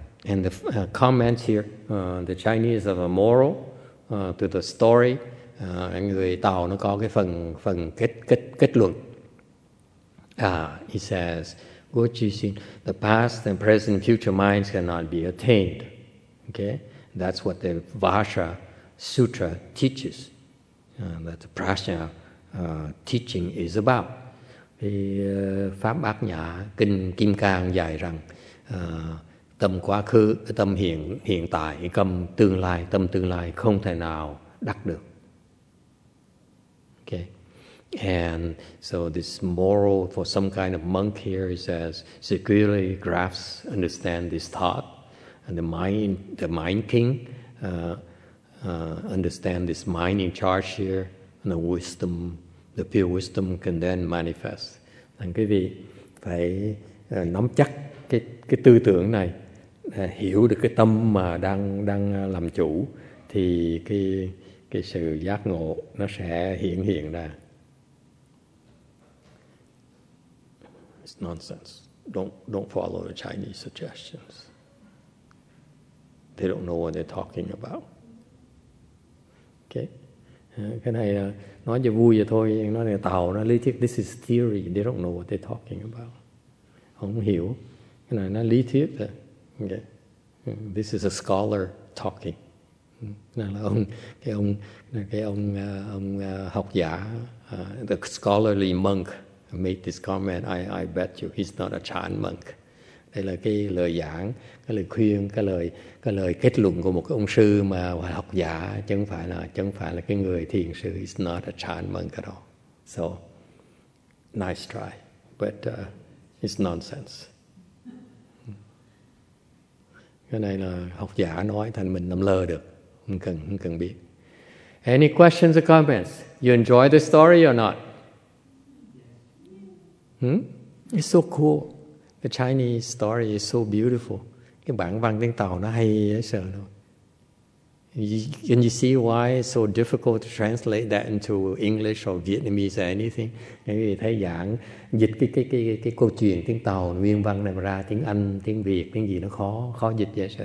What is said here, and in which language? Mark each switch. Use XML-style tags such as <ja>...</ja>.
<en>And the comments here, the Chinese have a moral to the story.</en> <vi>Người Tàu nó có cái phần kết luận.</vi> <en>He says, the past and present and future minds cannot be attained. Okay? That's what the Vasha Sutra teaches. That the Prajna teaching is about.</en> <vi>Thì Pháp Bát Nhã, Kinh Kim Cang dạy rằng tâm quá khứ, tâm hiện tại, tâm tương lai không thể nào đắc được.</vi> <en>Okay? And so this moral for some kind of monk here, he says, securely grasps, understand this thought, and the mind king understand this mind in charge here, and the wisdom, the pure wisdom can then manifest.</en> <vi>Thành quý vị phải nắm chắc cái tư tưởng này, hiểu được cái tâm mà đang làm chủ, thì cái sự giác ngộ nó sẽ hiện ra.</vi> <en>Nonsense. Don't follow the Chinese suggestions. They don't know what they're talking about. Okay?</en> <vi>Cái này nói cho vui vậy thôi. Nói là Tàu nó lý thuyết.</vi> <en>This is theory. They don't know what they're talking about.</en> <vi>Không hiểu. Cái này nó lý thuyết. Okay?</vi> <en>This is a scholar talking.</en> <vi>Nên là</vi> <en>the scholarly monk made this comment, I bet you he's not a chan monk.</en> <vi>Đây là cái lời giảng, cái lời khuyên, cái lời kết luận của một cái ông sư mà hoặc học giả, chẳng phải là cái người thiền sư.</vi> <en>He's not a chan monk at all. So, nice try, but it's nonsense.</en> <vi>Cái này là học giả nói thành mình nằm lơ được, không cần biết.</vi> <en>Any questions or comments? You enjoy the story or not? It's so cool. The Chinese story is so beautiful.</en> <vi>Cái bản văn tiếng Tàu nó hay dễ sợ luôn.</vi> <en>Can you see why it's so difficult to translate that into English or Vietnamese or anything?</en> <vi>Nếu như thấy giảng dịch cái câu chuyện tiếng Tàu nguyên văn này ra tiếng Anh, tiếng Việt, tiếng gì nó khó dịch dễ sợ.</vi>